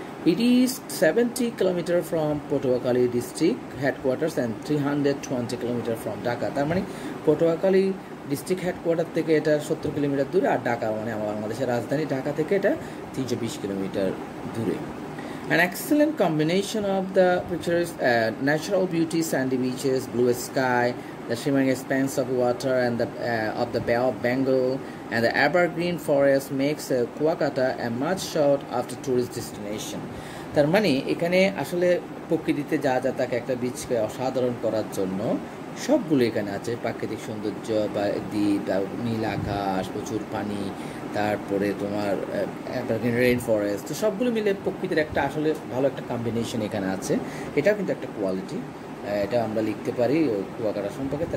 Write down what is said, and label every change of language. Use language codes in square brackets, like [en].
[en] it is 70 kilometre from Patuakhali district headquarters and 320 kilometre from Dhaka, [bn] তার মানে Patuakhali district headquarter থেকে এটা 70 কিলোমিটার দূরে, আর ঢাকা মানে আমার বাংলাদেশের রাজধানী ঢাকা থেকে এটা 320 কিলোমিটার দূরে। [en] An excellent combination of the pictures, natural beauty, sandy beaches, blue sky, the shimmering expanse of water and the of the Bay of Bengal and the evergreen forest makes Kuwakata a much sought after tourist destination. [bn] তার মানে এখানে আসলে প্রকৃতিতে যা যা তাকে একটা বিচকে অসাধারণ করার জন্য সবগুলো এখানে আছে, প্রাকৃতিক সৌন্দর্য বা দ্বীপ, নীল আকাশ, প্রচুর পানি, তারপরে তোমার রেইন ফরেস্ট, তো সবগুলো মিলে প্রকৃতির একটা আসলে ভালো একটা কম্বিনেশন এখানে আছে, এটাও কিন্তু একটা কোয়ালিটি, এটা আমরা লিখতে পারি কুয়াকাটা সম্পর্কে।